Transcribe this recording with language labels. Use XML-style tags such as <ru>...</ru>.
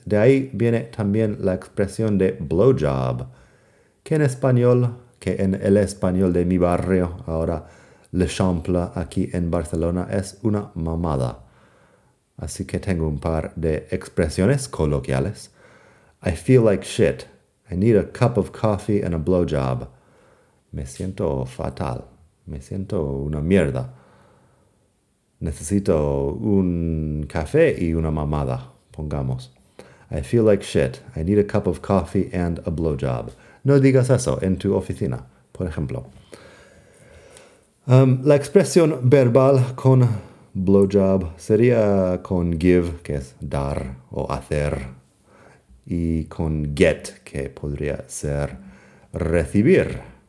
<es>De ahí viene también la expresión de blowjob, que en español, que en el español de mi barrio, ahora Le Champla, aquí en Barcelona, es una mamada. Así que tengo un par de expresiones coloquiales.</es> <en>I feel like shit. I need a cup of coffee and a blowjob.</en> <es>Me siento fatal. Me siento una mierda. Necesito un café y una mamada, pongamos.</es> <en>I feel like shit. I need a cup of coffee and a blowjob.</en> <es>No digas eso en tu oficina, por ejemplo. La expresión verbal con blowjob sería con give, que es dar o hacer, y con get, que podría ser recibir.</es>